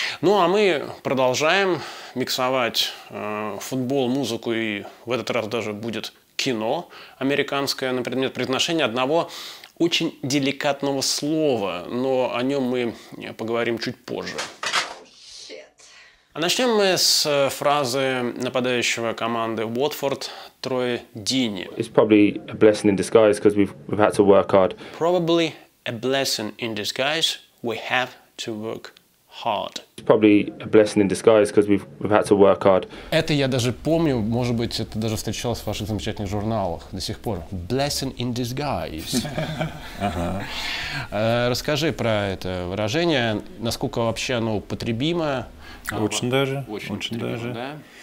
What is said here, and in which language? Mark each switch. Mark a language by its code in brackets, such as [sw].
[ru] Ну, а мы продолжаем миксовать футбол, музыку, и в этот раз даже будет кино американское на предмет произношения одного очень деликатного слова, но о нем мы поговорим чуть позже. А начнем мы с фразы нападающего команды Уотфорд Трой Дини. [en] It's probably a blessing in disguise because we've had to work hard. Probably a blessing in disguise. We have to work hard. It's probably a blessing in disguise because we've had to work hard. [ru] Это я даже помню, может быть, это даже встречалось в ваших замечательных журналах до сих пор. [en] Blessing in disguise. [ru] Расскажи про это выражение, насколько вообще оно употребимо? Очень даже. Да?